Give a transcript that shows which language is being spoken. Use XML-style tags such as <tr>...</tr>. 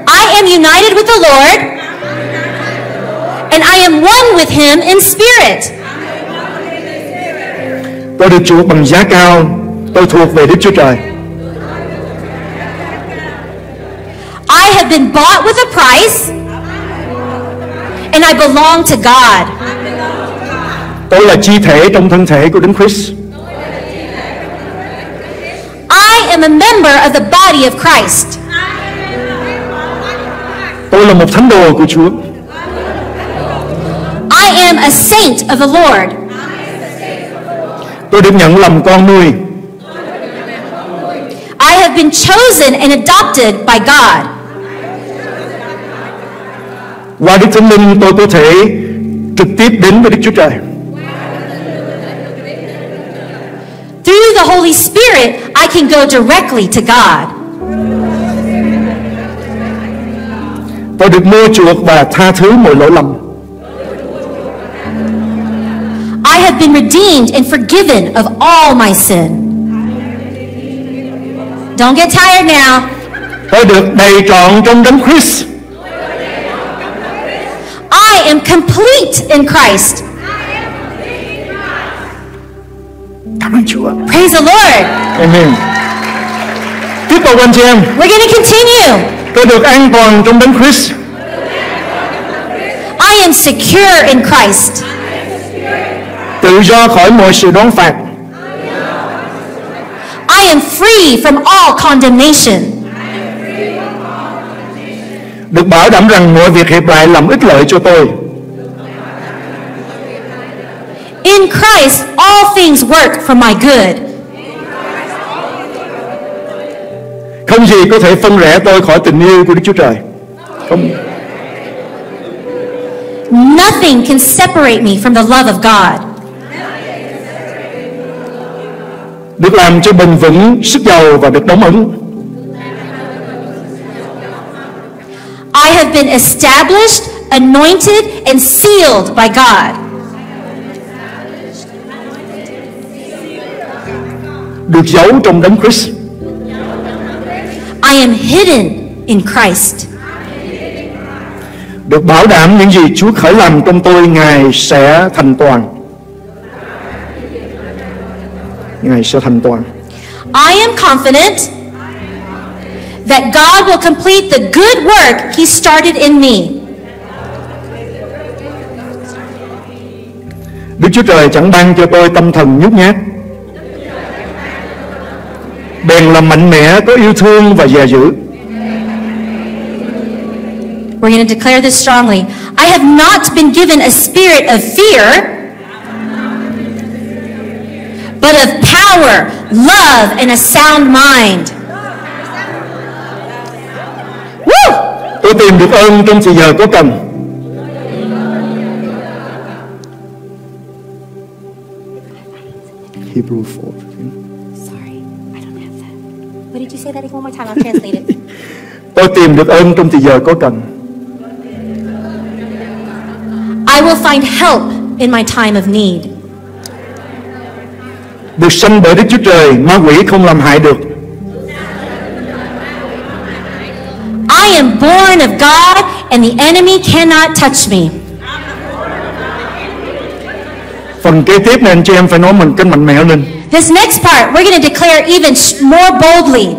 <en>I am united with the Lord, and I am one with Him in spirit.</en> <vi>Tôi được chuộc bằng giá cao. Tôi thuộc về Đức Chúa Trời.</vi> <en>I have been bought with a price, and I belong to God.</en> <vi>Tôi là chi thể trong thân thể của Đấng Christ.</vi> <en>I am a member of the body of Christ.</en> <vi>Tôi là một thánh đồ của Chúa.</vi> <en>I am a saint of the Lord.</en> <vi>Tôi được nhận làm con nuôi.</vi> <en>I have been chosen and adopted by God.</en> <vi>Qua Đức Thánh Linh, tôi có thể trực tiếp đến với Đức Chúa Trời.</vi> <en>Through the Holy Spirit, I can go directly to God.</en> <vi>Tôi được mua chuộc và tha thứ mọi lỗi lầm.</vi> <en>I have been redeemed and forgiven of all my sin. Don't get tired now.</en> <vi>Tôi được đầy trọn trong Đấng Christ.</vi> <en>I am complete in Christ.</en> <vi>Cảm ơn Chúa.</vi> <en>Praise the Lord.</en> <vi>Amen. Tiếp tục anh chị em.</vi> <en>We're going to continue.</en> <vi>Tôi được an toàn trong Đấng Christ.</vi> <en>I am secure in Christ.</en> <vi>Tự do khỏi mọi sự đoán phạt.</vi> <en>I am free from all condemnation.</en> <vi>Được bảo đảm rằng mọi việc hiệp lại làm ích lợi cho tôi.</vi> <en>In Christ, all things work for my good.</en> <vi>Không gì có thể phân rẽ tôi khỏi tình yêu của Đức Chúa Trời. Không.</vi> <en>Nothing can separate me from the love of God.</en> <vi>Được làm cho bình vững, sức giàu và được đóng ấn.</vi> <en>have been established, anointed, and sealed by God.</en> <vi>Được giấu trong đấng Christ.</vi> <en>I am hidden in Christ.</en> <vi>Được bảo đảm những gì Chúa khởi làm trong tôi, Ngài sẽ thành toàn. Ngài sẽ thành toàn.</vi> <en>I am confident that God will complete the good work He started in me.</en> <vi>Đức Chúa Trời chẳng ban cho tôi tâm thần nhút nhát, bèn là mạnh mẽ, có yêu thương và dè dữ.</vi> <en>We're going to declare this strongly. I have not been given a spirit of fear, but of power, love, and a sound mind. Woo!</en> <vi>Tôi tìm được ơn trong thời giờ có cần.</vi> <en>Hebrew 4.</en> <vi>Tôi tìm được ơn trong thời giờ có cần.</vi> <en>I will find help in my time of need.</en> <vi>Được sanh bởi Đức Chúa Trời, ma quỷ không làm hại được.</vi> <en>I am born of God and the enemy cannot touch me.</en> <vi>Phần kế tiếp này anh chị em phải nói mình cần mạnh mẽ lên.</vi> <en>This next part, we're going to declare even more boldly.</en>